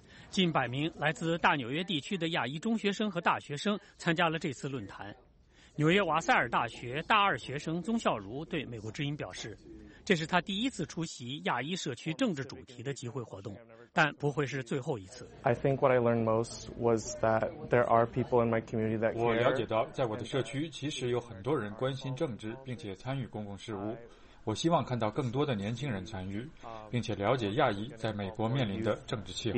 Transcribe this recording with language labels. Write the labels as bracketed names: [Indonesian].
[Chinese] 近百名来自大纽约地区的亚裔中学生和大学生参加了这次论坛。纽约瓦塞尔大学大二学生宗孝如对美国之音表示，这是他第一次出席亚裔社区政治主题的集会活动，但不会是最后一次。 [English] I think what I learned most was that there are people in my community that care. [Chinese] 我了解到，在我的社区，其实有很多人关心政治，并且参与公共事务。我希望看到更多的年轻人参与，并且了解亚裔在美国面临的政治气候。